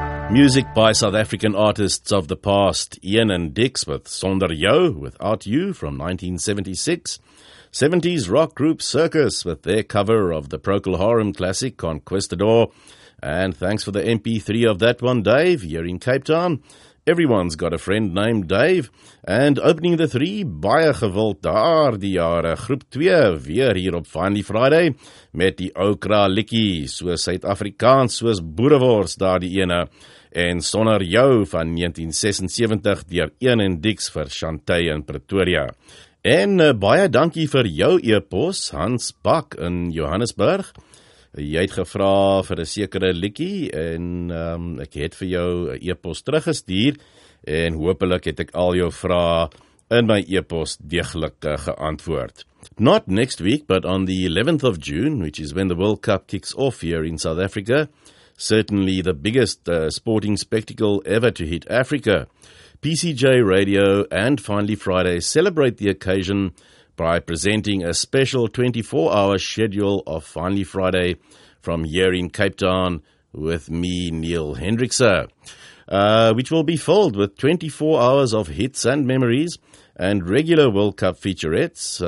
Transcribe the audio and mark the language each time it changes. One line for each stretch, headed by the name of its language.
English: Music by South African artists of the past, Ian and Dix with Sonder Jou, Without You from 1976. 70s rock group Circus with their cover of the Procol Harum classic Conquistador. And thanks for the MP3 of that one, Dave, here in Cape Town. Everyone's got a friend named Dave. And opening the three,
Afrikaans: baie gewild daar die jare, groep 2, weer hier op Finally Friday, met die Okra Likkie, soos Suid-Afrikaans, soos Boerewors, daar die ene. En Sonder Jou van 1976 deur Ian en Dix vir Chantay in Pretoria. En baie dankie vir jou e-pos, Hans Bak in Johannesburg. Jy het gevra vir 'n sekere liedjie en ek het vir jou 'n e-pos teruggestuur en hopelik het ek al jou vrae in my e-pos deeglik geantwoord.
English: Not next week, but on the 11th of June, which is when the World Cup kicks off here in South Africa, certainly the biggest sporting spectacle ever to hit Africa. PCJ Radio and Finally Friday celebrate the occasion by presenting a special 24-hour schedule of Finally Friday from here in Cape Town with me, Neil Hendrikser, which will be filled with 24 hours of hits and memories and regular World Cup featurettes.